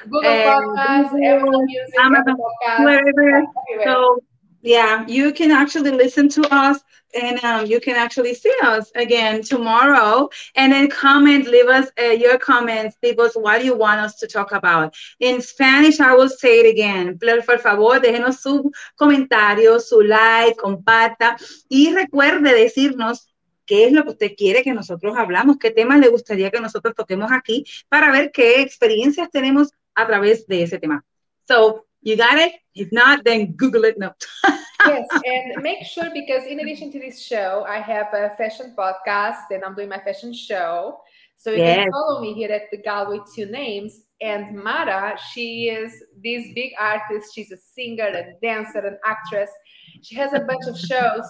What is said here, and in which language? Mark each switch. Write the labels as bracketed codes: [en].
[en] Google Podcasts, Apple Music, Amazon, wherever. So, yeah, you can actually listen to us, and you can actually see us again tomorrow, and then comment, leave us your comments, leave us what you want us to talk about. In Spanish, I will say it again. [es] Por favor, déjenos su comentario, su like, comparta, y recuerde decirnos qué es lo que usted quiere que nosotros hablamos, qué temas le gustaría que nosotros toquemos aquí, para ver qué experiencias tenemos a través de ese tema. [en] So, you got it? If not, then Google it. No. Yes, and make sure, because in addition to this show, I have a fashion podcast and I'm doing my fashion show. So you can follow me here at The Gal with Two Names. And Mara, she is this big artist. She's a singer, a dancer, an actress. She has a bunch of shows.